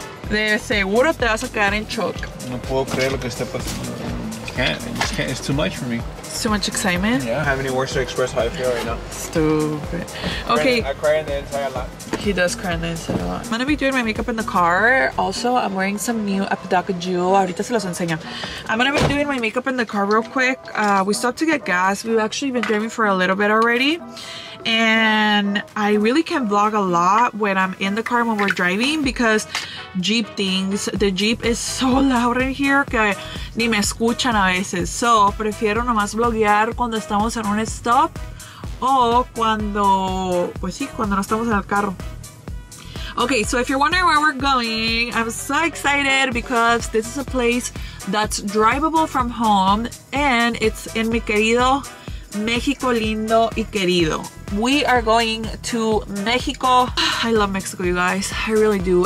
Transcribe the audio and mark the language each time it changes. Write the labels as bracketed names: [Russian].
[Spanish] De seguro te vas a quedar en shock. No puedo creer lo que está pasando. [English] Can't. It's too much for me. It's too much excitement? Yeah. I don't have any words to express how I feel right now. Stupid. Okay. I cry in the inside a lot. I'm going to be doing my makeup in the car. Also, I'm wearing some new Apodaca jewel. [Spanish] Ahorita se los enseño. [English] I'm going to be doing my makeup in the car real quick. We stopped to get gas. We've actually been driving for a little bit already. And I really can vlog a lot when I'm in the car when we're driving because Jeep things. The Jeep is so loud in here [Spanish] que ni me escuchan a veces. So, prefiero nomás vloguear cuando estamos en un stop o cuando, pues sí, cuando no estamos en el carro. [English] Okay, so if you're wondering where we're going, I'm so excited because this is a place that's drivable from home and it's in [Spanish] mi querido Mexico lindo y querido. [English] We are going to Mexico. I love Mexico, you guys. I really do.